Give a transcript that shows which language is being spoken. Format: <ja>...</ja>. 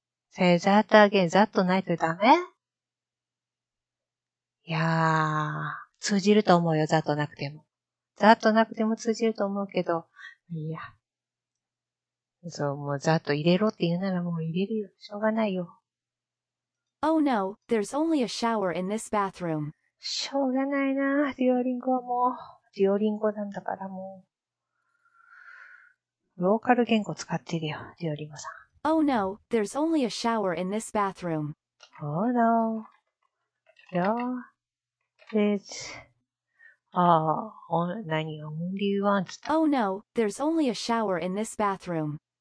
<en>Say that again. That</en> <ja>ないとダメ？いやー、通じると思うよ。 That なくても。ざっとなくても通じると思うけど、いや。そう、もうざっと入れろって言うならもう入れるよ。しょうがないよ。</ja> <en>Oh no, there's only a shower in this bathroom.</en> <ja>しょうがないな、デュオリンゴはもう。デュオリンゴなんだからもう。ローカル言語使ってるよ、デュオリンゴさん。</ja> <en>Oh no, there's only a shower in this bathroom. Oh no. No. It's... ああ、only once. Oh no, there's only a shower in this bathroom.</en>